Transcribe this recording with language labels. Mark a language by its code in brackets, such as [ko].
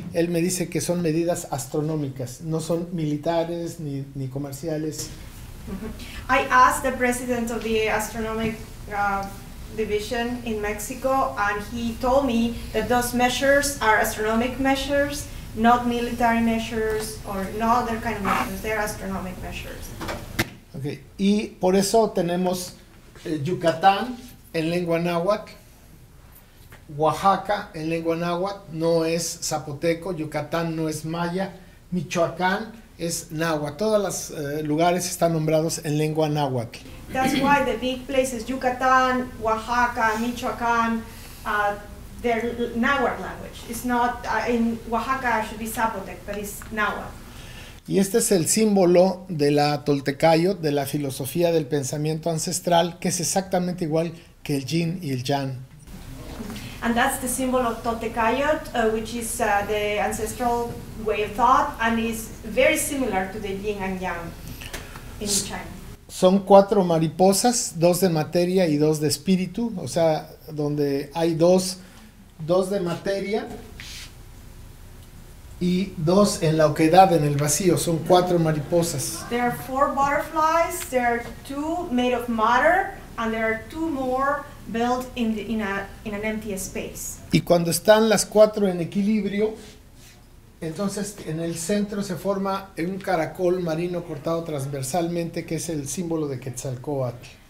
[es] Él me dice que son medidas astronómicas, no son militares ni comerciales. Mm-hmm. [en] I asked the president of the astronomic division in Mexico and he told me that those measures are astronomic measures, not military measures or no other kind of measures, they're astronomic measures. [es] Okay, y por eso tenemos Yucatán en lengua náhuatl, Oaxaca en lengua náhuatl, no es zapoteco, Yucatán no es maya, Michoacán es náhuatl. Todos los lugares están nombrados en lengua náhuatl. [en] That's why the big places, Yucatán, Oaxaca, Michoacán, they're náhuatl language. It's not, in Oaxaca it should be zapotec, but it's náhuatl. [es] Y este es el símbolo de la Toltecayot, de la filosofía del pensamiento ancestral, que es exactamente igual que el yin y el yang. [en] And that's the symbol of Toltecayot, which is the ancestral way of thought, and is very similar to the yin and yang in China. [es] Son cuatro mariposas, dos de materia y dos de espíritu, o sea, donde hay dos de materia y dos en la oquedad, en el vacío. Son cuatro mariposas. [en] There are four butterflies. There are two made of matter, and there are two more built in an empty space. [es] Y cuando están las cuatro en equilibrio, entonces en el centro se forma un caracol marino cortado transversalmente, que es el símbolo de Quetzalcóatl.